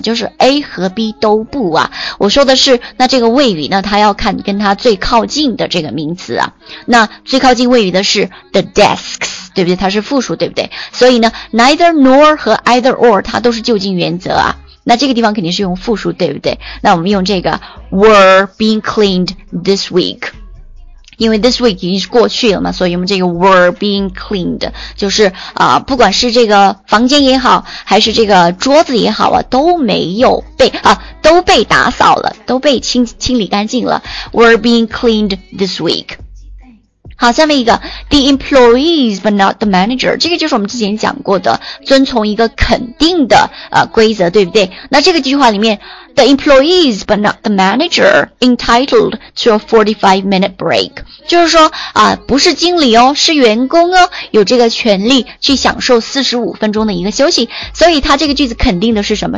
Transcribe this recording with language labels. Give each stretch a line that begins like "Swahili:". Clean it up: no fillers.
Chinese: 就是 A 和 B 都不啊。我说的是，那这个谓语呢，它要看跟它最靠近的这个名词啊。那最靠近谓语的是 the desks， 对不对？它是复数，对不对？所以呢 ，neither nor 和 either or 它都是就近原则啊。那这个地方肯定是用复数，对不对？那我们用这个
English: were being cleaned this week。
Chinese: 因为 this week 已经是过去了嘛，所以我们这个
English: were being cleaned
Chinese: 就是不管是这个房间也好，还是这个桌子也好啊，都没有被都被打扫了，都被清理干净了。
English: were being cleaned this week。
Chinese: 好，下面一个
English: the employees but not the manager，
Chinese: 这个就是我们之前讲过的遵从一个肯定的规则，对不对？那这个句话里面
English: the employees but not the manager entitled to a 45 minute break，
Chinese: 就是说不是经理哦，是员工哦，有这个权利去享受45分钟的一个休息，所以他这个句子肯定的是什么？